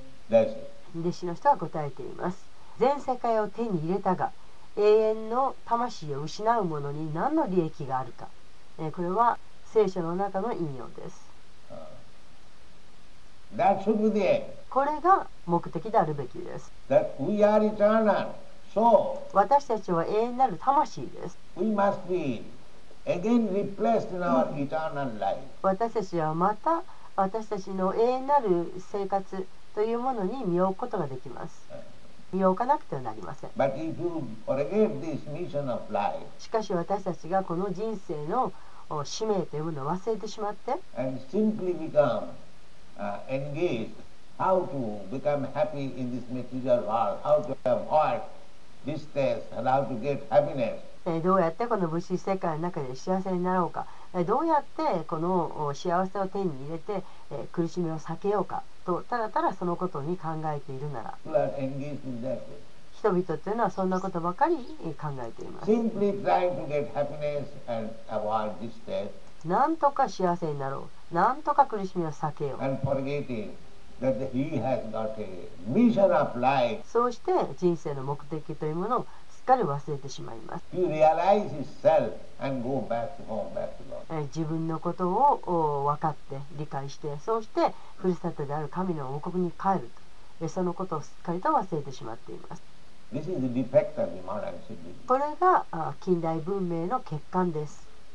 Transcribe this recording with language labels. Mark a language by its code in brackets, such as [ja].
[ja] 弟子の人は答えています。全世界を手に入れたが永遠の魂を失う者に何の利益があるか。これは聖書の中の引用です。 [en] That should be the... [ja] これが目的であるべきです。 [en] That we are eternal. So, [ja] 私たちは永遠なる魂です。 [en] we must be again replaced in our eternal life. [ja] 私たちはまた私たちの永遠なる生活というものに身を置くことができます。身を置かなくてはなりません。 [en] But if you forget this mission of life, [ja] しかし私たちがこの人生の使命というものを忘れてしまって、 [en] and simply become, engaged, how to become happy in this material world, how to avoid distress and how to get happiness、 [ja] どうやってこの物質世界の中で幸せになろうか、どうやってこの幸せを手に入れて、苦しみを避けようかと、ただただそのことに考えているなら、人々というのはそんなことばかり考えています。なんとか幸せになろう、なんとか苦しみを避けよう、そうして人生の目的というものをしっかり忘れてしまいます。自分のことを分かって理解して、そうしてふるさとである神の王国に帰ると、そのことをすっかりと忘れてしまっています。 [en] This is the defect of the modern civilization. [ja] これが近代文明の欠陥です。